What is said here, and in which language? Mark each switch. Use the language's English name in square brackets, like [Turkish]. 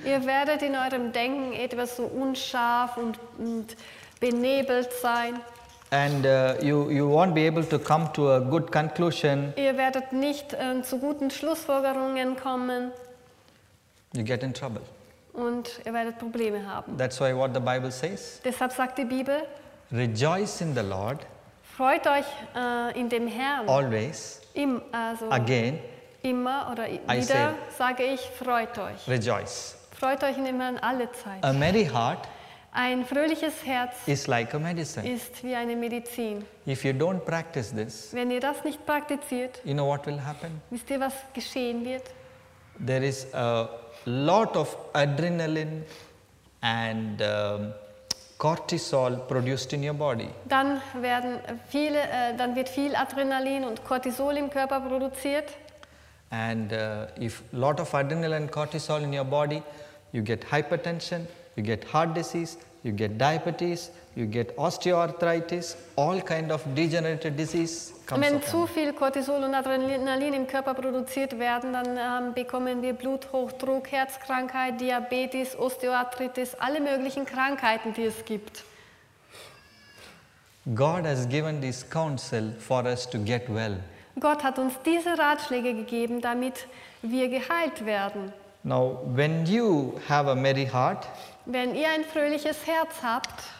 [German] Ihr werdet in eurem Denken etwas so unscharf und benebelt sein. [English] And you won't be able to come to a good conclusion. [German] Ihr werdet nicht zu guten Schlussfolgerungen kommen. [English] You get in trouble. [German] Und ihr werdet Probleme haben. [English] That's why what the Bible says. [German] Deshalb sagt die Bibel. [English] Rejoice in the Lord. [German] Freut euch in dem Herrn. [English] Always. Again. [German] Immer oder wieder sage ich, freut euch. [English] Rejoice. [German] Freut euch in dem Herrn alle Zeit. [English] A merry heart. [German] Ein fröhliches Herz ist, [English] like a medicine. [German] Ist wie eine Medizin. [English] If you don't practice this, [German] wenn ihr das nicht praktiziert, [English] you know what will happen? [German] Wisst ihr, was geschehen wird? [English] There is a lot of adrenaline and cortisol produced in your body. [German] Dann werden viele, dann wird viel Adrenalin und Cortisol im Körper produziert. [English] And if a lot of adrenaline and cortisol in your body, you get hypertension, you get heart disease, you get diabetes, you get osteoarthritis, all kind of degenerative disease comes. [German] Wenn zu viel Cortisol und Adrenalin im Körper produziert werden, dann bekommen wir Bluthochdruck, Herzkrankheit, Diabetes, Osteoarthritis, alle möglichen Krankheiten, die es gibt. [English] God has given this counsel for us to get well. [German] Gott hat uns diese Ratschläge gegeben, damit wir geheilt werden. [English] Now, when you have a merry heart, [German] wenn ihr ein fröhliches Herz habt,